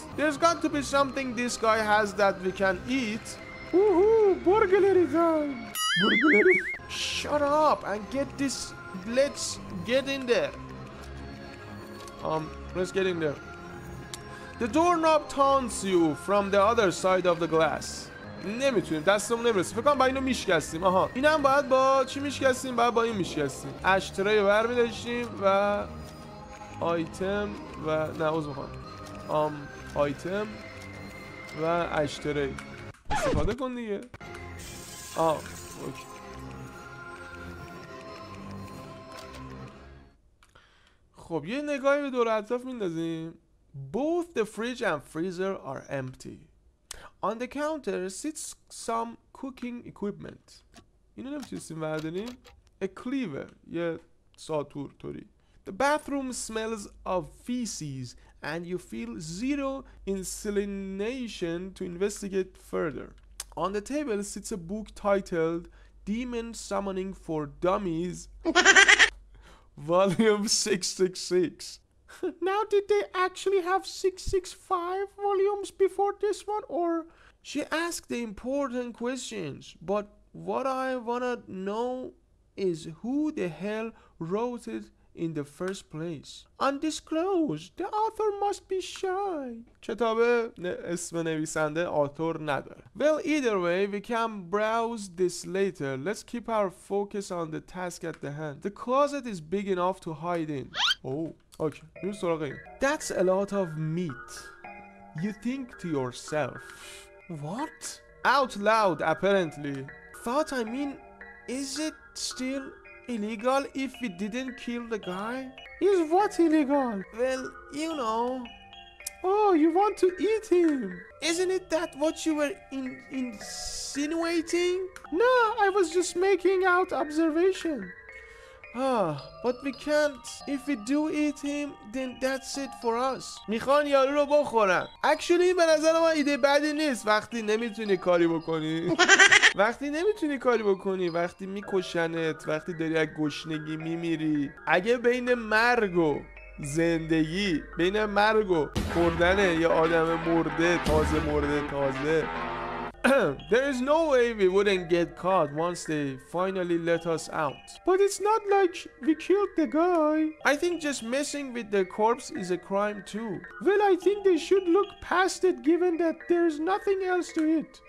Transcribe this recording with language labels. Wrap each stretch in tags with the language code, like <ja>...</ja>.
<en>There's got to be something this guy has that we can eat. Woohoo, burglary time. Burglary. Shut up and get this. Let's get in there. Let's get in there. The doorknob taunts you from the other side of the glass.</en> <fa>نمیتونیم دستمون نمیرسه. فکر کنم با اینو میشکستیم. آها اینم باید با چی میشکستیم؟ باید با این میشکستیم. اشتره رو برمی‌داشتیم و آیتم و نه عذر میخوام آیتم و اشتره استفاده کن دیگه. آه اوکی. خب یه نگاهی به دور اطراف میندازیم.</fa> <en>Both the fridge and freezer are empty. On the counter sits some cooking equipment.</en> <fa>اینو نمیتونستیم برداریم.</fa> <en>A cleaver.</en> <fa>یه ساتور طوری.</fa> <en>The bathroom smells of feces and you feel zero insulination to investigate further. On the table sits a book titled demon summoning for dummies. Volume 666. Now, did they actually have 665 volumes before this one, or? She asked the important questions, but what I wanna know is who the hell wrote it in the first place. Undisclosed. The author must be shy.</en> <fa>کتابه اسم نویسنده آتور نداره.</fa> <en>Well, either way, we can browse this later. Let's keep our focus on the task at the hand. The closet is big enough to hide in. Oh, okay.</en> <fa>بریم سراغ این.</fa> <en>That's a lot of meat. You think to yourself. What? Out loud, apparently. Thought, I mean, is it still illegal if we didn't kill the guy? Is what illegal? Well, you know. Oh, you want to eat him? Isn't it that what you were insinuating? No, I was just making out observation. But we can't. If we do eat him, then that's it for us.</en> <fa>میخوان یارو رو بخورن. Actually, به نظر ما ایده بدی نیست وقتی نمیتونی کاری بکنی. وقتی نمیتونی کاری بکنی، وقتی میکشنت، وقتی داری از گشنگی میمیری. اگه بین مرگ و زندگی، بین مرگ و خوردن یه آدم مرده، تازه مرده، تازه.</fa> <en>There is no way we wouldn't get caught once they finally let us out. But it's not like we killed the guy. I think just messing with the corpse is a crime too. Well, I think they should look past it given that there's nothing else to eat.</en>